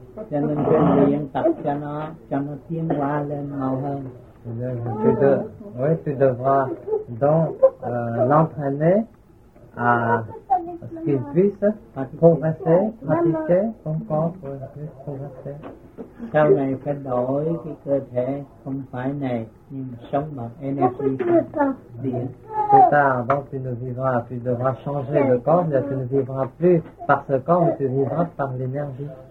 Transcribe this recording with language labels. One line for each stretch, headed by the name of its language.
French: Tu devras donc l'entraîner à ce qu'il puisse progresser, pratiquer ton corps pour qu'il puisse progresser.
Vietnamese: Sau này phải đổi cái cơ thể không phải này nhưng sống bằng energy điện.
French: Plus tard, donc tu ne vivras, tu devras changer le corps, mais tu ne vivras plus par ce corps, mais tu vivras par l'énergie.